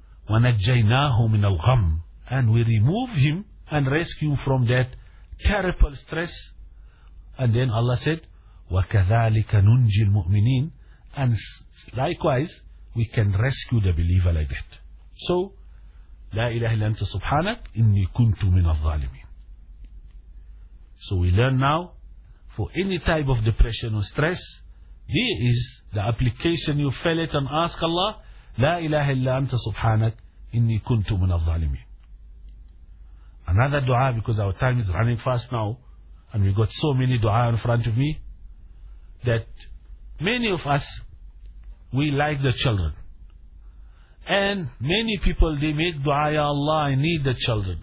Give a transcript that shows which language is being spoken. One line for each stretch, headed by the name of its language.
Arabic: Wa najjaynahu min al-gham.
English: And we remove him and rescue him from that terrible stress. And then Allah said,
Arabic: وَكَذَلِكَ نُنْجِي الْمُؤْمِنِينَ.
English: And likewise, we can rescue the believer like that.
Arabic: So, لا إله إلا أنت سبحانك إني كنت من الظالمين.
English: So we learn now, for any type of depression or stress, This is the application. You fill it and ask Allah,
Arabic: لا إله إلا أنت سبحانك إني كنت من الظالمين.
English: Another dua, because our time is running fast now, and we got so many dua in front of me, that many of us, we like the children. And many people, they make dua, Ya Allah, I need the children.